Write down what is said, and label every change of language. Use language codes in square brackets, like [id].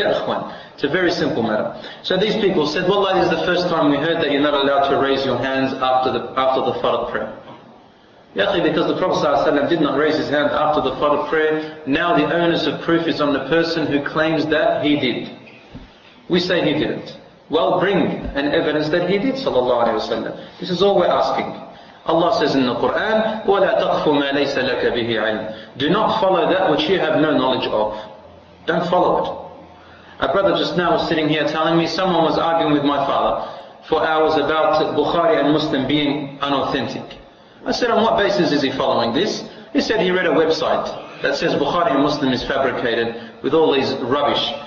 [en] Ya akhwan, it's a very simple matter. So these people said, wallah, this is the first time we heard that you're not allowed to raise your hands after the fard prayer. Ya akhi, because the Prophet ﷺ did not raise his hand after the fard prayer, now the onus of proof is on the person who claims that he did. We say he didn't. Well, bring an evidence that he did, sallallahu alayhi wa sallam. This is all we're asking. Allah says in the Quran, [ar] وَلَا تَقْفُ مَا لَيْسَ لَكَ بِهِ عِلْمٍ. [en] Do not follow that which you have no knowledge of. Don't follow it. A brother just now was sitting here telling me someone was arguing with my father for hours about Bukhari and Muslim being unauthentic. I said, on what basis is he following this? He said he read a website that says Bukhari and Muslim is fabricated with all these rubbish.